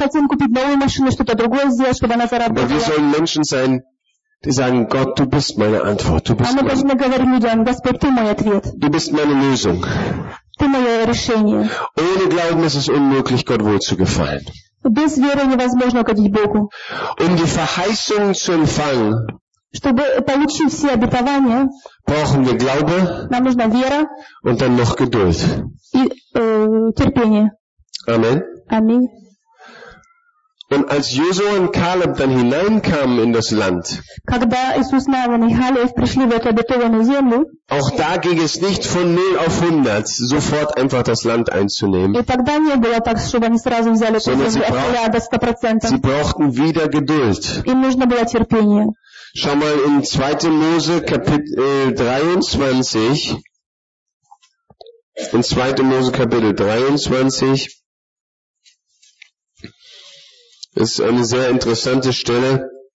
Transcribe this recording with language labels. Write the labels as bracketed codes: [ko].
[de] wir sollen Menschen sein, die sagen, Gott, du bist meine Antwort. Du bist, du bist meine Lösung. Ohne Glauben ist es unmöglich, Gott wohlzugefallen. Um die Verheißung zu empfangen, [ru] чтобы получить все обетования, [de] Glaube, [ru] нам нужна вера [de] und dann noch Geduld. [ru] И терпение. Amen. Amen. [de] Und als Josua und Kaleb dann hineinkamen in das Land, [ru] когда Иисус Навин и Халев пришли в эту обетованную землю, [de] auch da ging es nicht von 0 auf 100, sofort einfach das Land einzunehmen. [ru] И тогда не было так, чтобы они сразу взяли эту землю до 100%. [de] Sie brauchten wieder Geduld. [ru] Им нужно было терпение. [de] Schau mal in 2. Mose Kapitel 23. In 2. Mose Kapitel 23. Das ist eine sehr interessante Stelle.